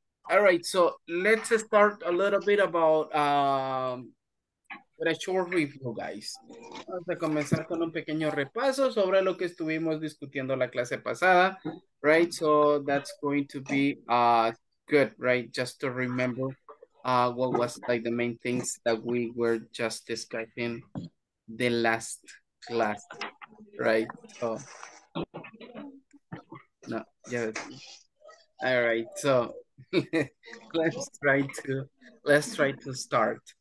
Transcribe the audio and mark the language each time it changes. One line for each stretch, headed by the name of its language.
English: All right, so let's start a little bit about with a short review, guys.
Spanish: Vamos a comenzar con un pequeño repaso sobre lo que estuvimos discutiendo la clase pasada,
English: right? So that's going to be good, right? Just to remember what was like the main things that we were just discussing the last class, right? So, no, yeah. All right, so let's try to start.